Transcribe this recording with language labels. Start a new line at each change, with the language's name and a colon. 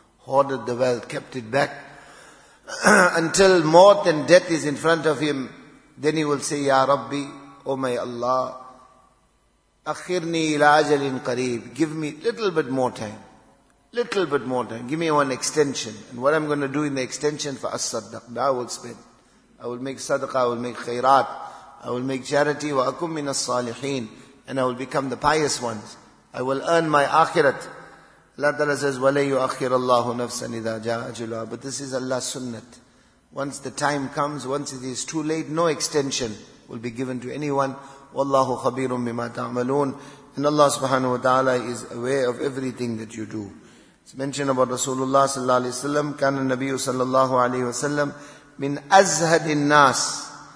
English: Hoarded the wealth, kept it back. Until mort and death is in front of him, then he will say, Ya Rabbi, O my Allah,
Arabic: akhirni ila ajalin qareeb,
English: give me little bit more time, give me one extension. And what I'm going to do in the extension, for as-saddaq, now I will spend. I will make sadaqah, I will make khairat, I will make charity,
Arabic: wa akum min as-salihin,
English: and I will become the pious ones. I will earn my akhirat.
Arabic: Allah Ta'ala says, وَلَيْ يُؤَخِّرَ اللَّهُ نَفْسًا إِذَا جَاءَ أَجَلُهَا.
English: But this is Allah's sunnat. Once the time comes, once it is too late, no extension will be given to anyone.
Arabic: وَاللَّهُ خَبِيرٌ بِمَا تَعْمَلُونَ.
English: And Allah subhanahu wa ta'ala is aware of everything that you do. It's mentioned about Rasulullah sallallahu alayhi wa sallam.
Arabic: كَانَ النَّبِيُّ صَلَّى اللَّهُ عَلَيْهِ وَسَلَّمْ مِنْ أَزْهَدِ النَّاسِ.